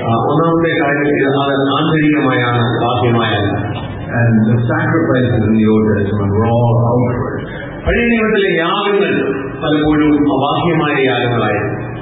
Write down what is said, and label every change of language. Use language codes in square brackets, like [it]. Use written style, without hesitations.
[ml] ഒന്നാമത്തെ കാര്യം, അത് ആന്തരികമായാണ് ബാഹ്യമായാണ്. [en] And the sacrifices in the Old Testament were all outward. [ml] പഴയ നിയമത്തിലെ യാഗങ്ങൾ പലപ്പോഴും അബാഹ്യമായ യാഗങ്ങളായിരുന്നു.